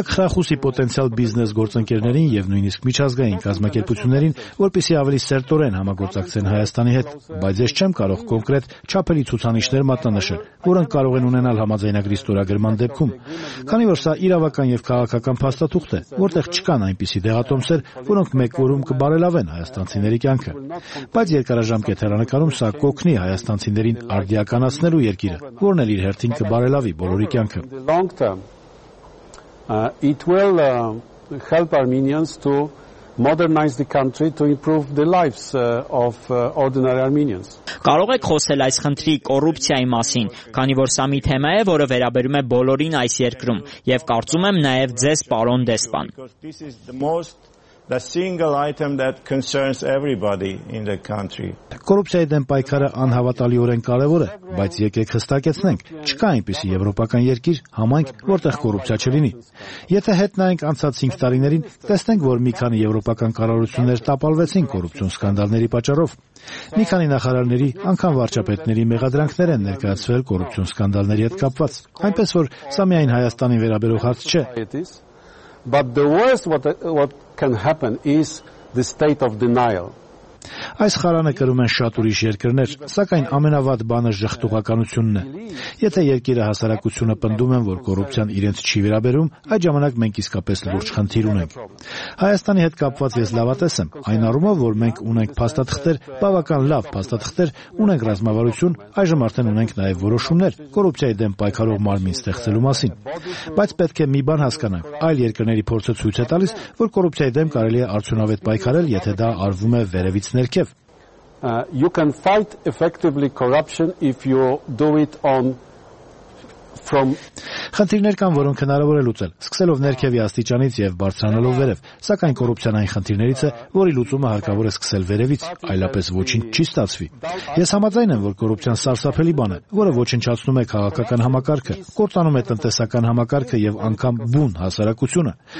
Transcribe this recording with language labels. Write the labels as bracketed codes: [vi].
[hy] Դա կխրախուսի պոտենցիալ բիզնես գործընկերներին և նույնիսկ միջազգային կազմակերպություններին, որպիսի ավելի սերտորեն համագործակցեն Հայաստանի հետ, բայց ես չեմ կարող կոնկրետ չափերի ցուցանիշներ մատնանշել, որոնք կարող են ունենալ համաձայնագրի ստորագրման դեպքում, քանի որ սա իրավական և քաղաքական փաստաթուղթ է, որտեղ չկան այնպիսի դեղատոմսեր, որոնք մեկ օրում կբարելավեն հայաստանցիների կյանքը, բայց երկարաժամկետ հեռանկարում սա կօգնի հայաստանցիներին արդիականացնելու երկիրը, որն էլ իր հերթին կբարելավի բոլորի կյանքը։ [en] It will help Armenians to modernize the country, to improve the lives of ordinary Armenians. [hy] Կարող եք խոսել այս խնդրի կոռուպցիայի մասին, քանի որ սա մի թեմա է, որը վերաբերում է բոլորին այս երկրում, եւ կարծում եմ նաեւ ձեզ, պարոն Դեսպան. [en] This is the most the single item that concerns everybody in the country. [hy] Կոռուպցիայի դեմ պայքարը անհավատալիորեն կարևոր է, բայց եկեք հստակեցնենք, չկա այնպիսի եվրոպական երկիր, համայնք, որտեղ կոռուպցիա չլինի։ Եթե հետ նայենք անցած 5 տարիներին, տեսնենք, որ մի քանի եվրոպական կառավարություններ տապալվեցին կոռուպցիոն սկանդալների պատճառով։ Մի քանի նախարարների, անկան վարչապետների մեղադրանքներ են ներկայացվել կոռուպցիոն սկանդալների հետ կապված, այնպես որ սա միայն Հայաստանին վերաբերող հարց չէ։ [en] But the worst what can happen is the state of denial. [hy] Այս խարանը կրում են շատ ուրիշ երկրներ, սակայն ամենավատ բանը ժխտողականությունն է։ Եթե երկիրը հասարակությունը պնդում են, որ կոռուպցիան իրենց չի վերաբերում, այդ ժամանակ մենք իսկապես լուրջ խնդիր ունենք։ Հայաստանի հետ կապված ես լավատես եմ, այն առումով, որ մենք ունենք փաստաթղթեր, բավական լավ փաստաթղթեր, ունենք ռազմավարություն, այժմ արդեն ունենք նաև որոշումներ կոռուպցիայի դեմ պայքարող մարմին ստեղծելու մասին։ Բայց պետք է մի բան հասկանանք, այլ երկրների փորձը ցույց է տալիս, որ կոռուպցիայի դեմ կարելի է արդյունավետ պայքարել, եթե դա արվում է վերևից։ [en] You can fight effectively corruption if you do it on from [hy] Խնդիրներ կան, որոնք հնարավոր է լուծել, սկսելով ներքևի աստիճանից եւ բարձրանալով վերև, սակայն կոռուպցիան այն խնդիրներից է, որի լուծումը հարկավոր է սկսել վերևից, այլապես ոչինչ չի ստացվի։ Ես համաձայն եմ, որ կոռուպցիան սարսափելի բան է, որը ոչնչացնում է քաղաքական համակարգը, կործանում է տնտեսական համակարգը եւ անգամ բուն հասարակությունը,